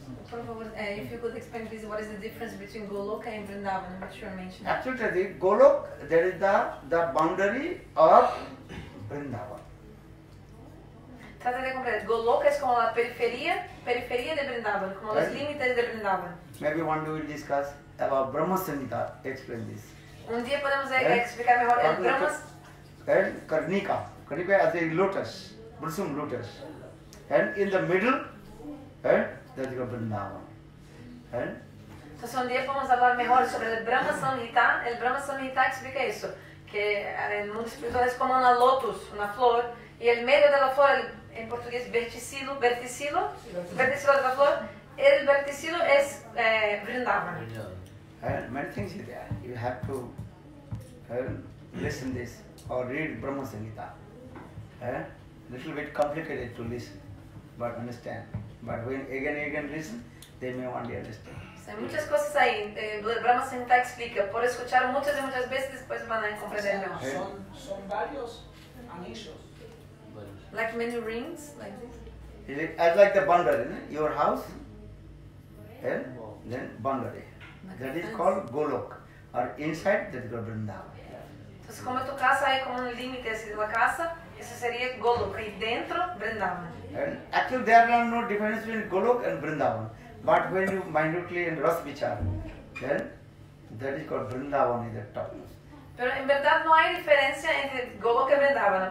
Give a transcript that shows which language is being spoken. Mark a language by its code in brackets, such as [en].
[es] Por favor, [en] if you could explain please what is the difference between Goloka and Vrindavan, which you are mentioning. Actually, Goloka, there is the boundary of Vrindavan. [es] Trata de comprender, Goloka es como la periferia de Vrindavan, como los límites de Vrindavan. [en] Maybe one day we'll discuss about Brahma Samhita, explain this. [es] Un día podemos explicar mejor el Brahma. [en] And Karnika. Karnika as a lotus. Brusum lotus. And in the middle, that is Vrindavan. [es] Entonces un día podemos hablar mejor sobre el Brahma Samhita. El Brahma Samhita explica eso. Que el mundo espiritual es como una lotus, una flor. Y el medio de la flor, en portugués, verticilo, verticilo. Verticilo de la flor. El verticilo es Vrindavan. [en] Many things are there. You have to listen this or read Brahma Samhita. Little bit complicated to listen, but understand. But when again listen, they may only understand. [es] Hay muchas cosas ahí. Brahma Samhita explica. Por escuchar muchas y muchas veces, después van a comprender mejor. Son varios anillos. [en] Like many rings, like this. As like the boundary, your house, then boundary. That is called Golok, or inside that is called Vrindavan. [pt] Então, se como a tua casa é como um limite da casa, isso seria Golok, e dentro, Vrindavan. [en] Actually, there are no difference between Golok and Vrindavan. But when you minutely and rasa vichar, then that is called Vrindavan in the topmost. [es] Pero [pt] em verdade não há diferença entre Golok e Vrindavan.